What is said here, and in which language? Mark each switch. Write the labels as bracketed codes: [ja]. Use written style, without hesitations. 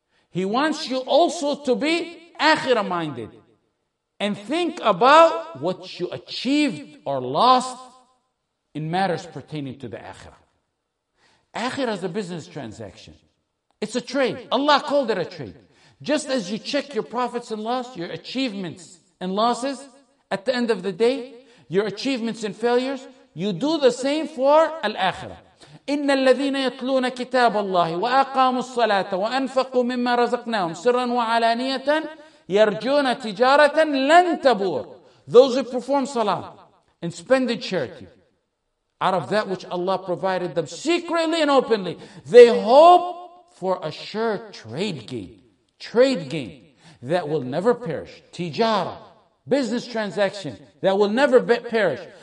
[en] He wants you also to be akhira-minded and think about what you achieved or lost in matters pertaining to the akhira. Akhira is a business transaction. It's a trade. Allah called it a trade. Just as you check your profits and loss, your achievements and losses at the end of the day, your achievements and failures, you do the same for al-akhira. [ar] إن الذين يتلون كتاب الله وأقاموا الصلاة وأنفقوا مما رزقناهم سرا وعلانية يرجون تجارة لن تبور. [en] Those who perform salah and spend the charity out of that which Allah provided them secretly and openly, they hope for a sure trade gain that will never perish. Tijara, business transaction that will never perish.